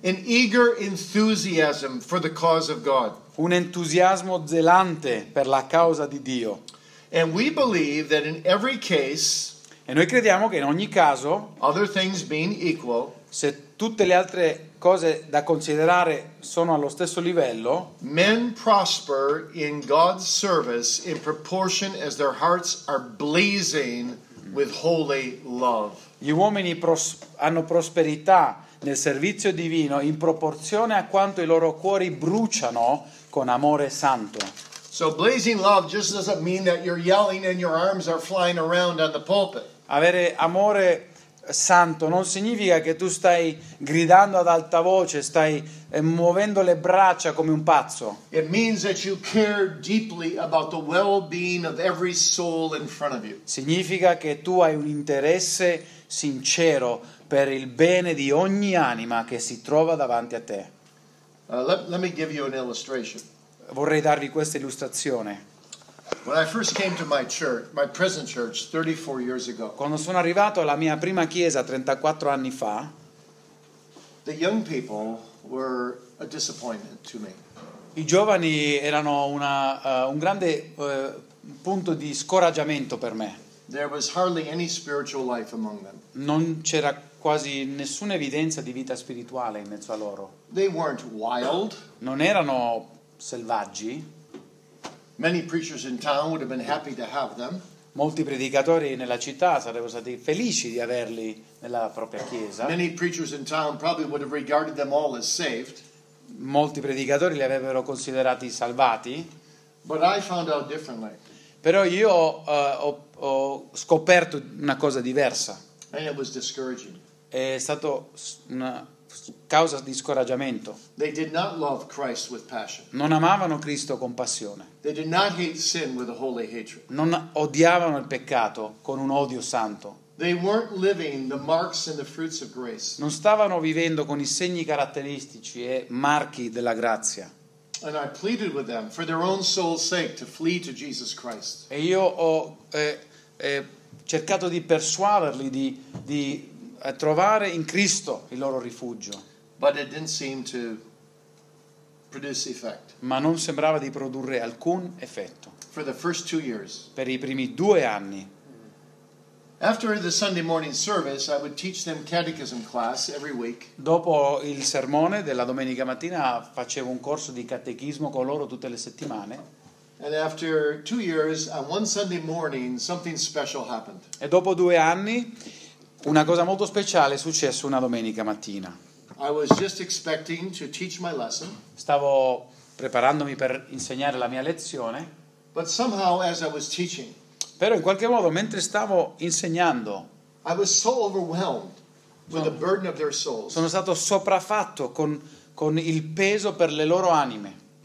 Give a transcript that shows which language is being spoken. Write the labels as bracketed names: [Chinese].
[English] An eager enthusiasm for the cause of God. [Italian] Un entusiasmo zelante per la causa di Dio. [English] And we believe that in every case, [Italian] e noi crediamo che in ogni caso, [English] other things being equal, [Italian] se tutte le altre cose da considerare sono allo stesso livello, [English] men prosper in God's service in proportion as their hearts are blazing with holy love. [Italian] Gli uomini hanno prosperità nel servizio divino in proporzione a quanto i loro cuori bruciano con amore santo. [English] So blazing love just doesn't mean that you're yelling and your arms are flying around on the pulpit. [Italian] Avere amore santo non significa che tu stai gridando ad alta voce, stai muovendo le braccia come un pazzo. [English] It means that you care deeply about the well-being of every soul in front of you. [Italian] Significa che tu hai un interesse sincero per il bene di ogni anima che si trova davanti a te. [English] Let me give you an illustration. [Italian] Vorrei darvi questa illustrazione. [English] When I first came to my church, my present church, 34 years ago. [Italian] Quando sono arrivato alla mia prima chiesa 34 anni fa, [English] the young people were a disappointment to me. [Italian] I giovani erano un grande punto di scoraggiamento per me. [English] There was hardly any spiritual life among them. [Italian] Non c'era quasi nessuna evidenza di vita spirituale in mezzo a loro. [English] They weren't wild. [Italian] Non erano selvaggi. [English] Many preachers in town would have been happy to have them. [Italian] Molti predicatori nella città sarebbero stati felici di averli nella propria chiesa. [English] Many preachers in town probably would have regarded them all as saved. [Italian] Molti predicatori li avrebbero considerati salvati. [English] But I found out differently. [Italian] Però io ho scoperto una cosa diversa. [English] And it was discouraging. [Italian] È stato una causa di scoraggiamento. [English] They did not love Christ with passion. [Italian] Non amavano Cristo con passione. [English] They did not hate sin with a holy hatred. [Italian] Non odiavano il peccato con un odio santo. [English] They weren't living the marks and the fruits of grace. [Italian] Non stavano vivendo con i segni caratteristici e marchi della grazia. [English] And I pleaded with them for their own soul's sake to flee to Jesus Christ. [Italian] E io ho cercato di persuaderli di trovare in Cristo il loro rifugio. [English] But it didn't seem to produce effect. [Italian] Ma non sembrava di produrre alcun effetto. [English] For the first 2 years. [Italian] Per i primi 2 anni. [English] After the Sunday morning service, I would teach them catechism class every week. [Italian] Dopo il sermone della domenica mattina facevo un corso di catechismo con loro tutte le settimane. [English] And after 2 years, on one Sunday morning, something special happened. [Italian] E dopo 2 anni, una cosa molto speciale è successa una domenica mattina. [English] I was just expecting to teach my lesson. [Italian] Stavo preparandomi per insegnare la mia lezione. [English] But somehow, as I was teaching. [Italian] Però in qualche modo mentre stavo insegnando sono stato sopraffatto con il peso per le loro anime.